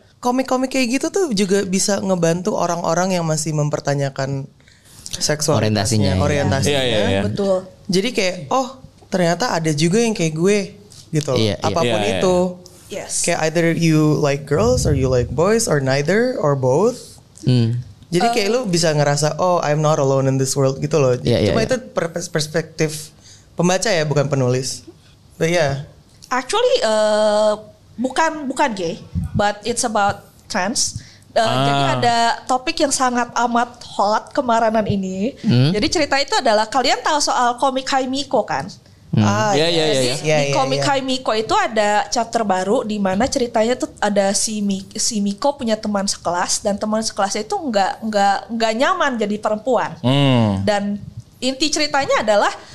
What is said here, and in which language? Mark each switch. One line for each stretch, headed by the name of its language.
Indonesian: Komik-komik kayak gitu tuh juga bisa ngebantu orang-orang yang masih mempertanyakan seksual orientasinya. Betul. Jadi kayak, oh ternyata ada juga yang kayak gue gitu. Apapun itu.
English: Yes.
Indonesian: Kayak
English: either you like girls or you like boys or neither or both.
Indonesian: Jadi kayak lu bisa ngerasa, oh
English: I'm not alone in this world
Indonesian: gitu loh. Itu perspektif pembaca ya, bukan penulis.
English: But yeah. Actually
Indonesian: bukan
English: gay, but it's about trans.
Indonesian: Jadi ada topik yang sangat amat hot kemarinan ini. Jadi cerita itu adalah, kalian tahu soal komik Haimiko kan? Di komik Haimiko itu ada chapter baru di mana ceritanya tuh ada si Miko punya teman sekelas, dan teman sekelasnya itu enggak nyaman jadi perempuan. Dan inti ceritanya adalah